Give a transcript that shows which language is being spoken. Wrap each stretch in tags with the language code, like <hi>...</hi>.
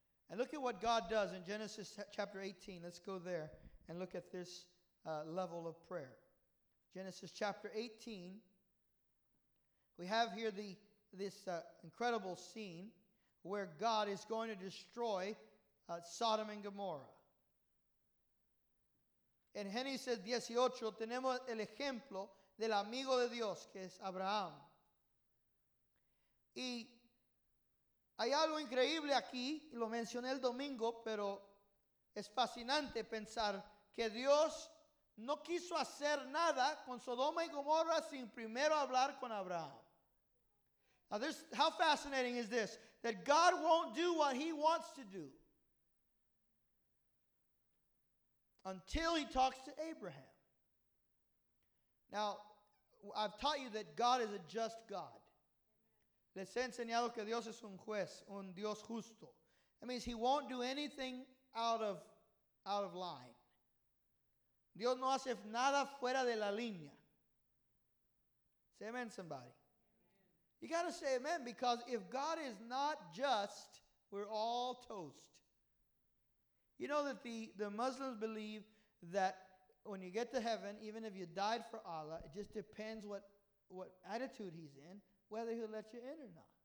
<en>And look at what God does in Genesis chapter 18. Let's go there and look at this level of prayer. Genesis chapter 18. We have here this incredible scene where God is going to destroy Sodom and Gomorrah.</en> <es>En Génesis 18 tenemos el ejemplo del amigo de Dios, que es Abraham. Y hay algo increíble aquí, lo mencioné el domingo, pero es fascinante pensar que Dios no quiso hacer nada con Sodoma y Gomorra sin primero hablar con Abraham.</es> <en>Now this, how fascinating is this? That God won't do what he wants to do until he talks to Abraham. Now, I've taught you that God is a just God.</en> <es>Les he enseñado que Dios es un juez, un Dios justo.</es> <en>That means he won't do anything out of line.</en> <es>Dios no hace nada fuera de la línea.</es> <en>Say amen, somebody. You got to say amen, because if God is not just, we're all toast. You know that the Muslims believe that when you get to heaven, even if you died for Allah, it just depends what attitude he's in, whether he'll let you in or not.</en>